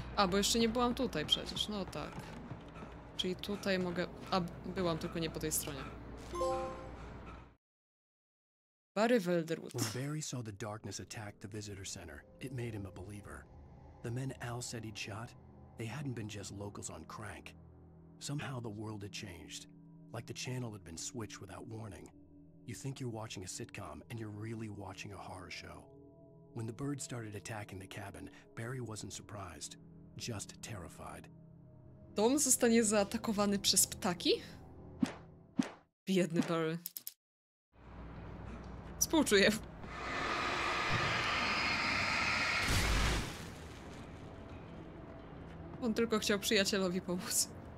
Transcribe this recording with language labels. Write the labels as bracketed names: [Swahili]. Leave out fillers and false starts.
[Polish] A, bo jeszcze nie byłam tutaj przecież. No tak. Czyli tutaj mogę... A, byłam, tylko nie po tej stronie. [English] Barry Velderwood. When Barry saw the darkness attack the visitor center, it made him a believer. The men Al said he'd shot, they hadn't been just locals on crank. Somehow the world had changed. Like the channel had been switched without warning. You think you're watching a sitcom, and you're really watching a horror show. When the birds started attacking the cabin, Barry wasn't surprised, just terrified. [Polish] Dom zostanie zaatakowany przez ptaki? Biedny Barry. Współczuję. On tylko chciał przyjacielowi pomóc.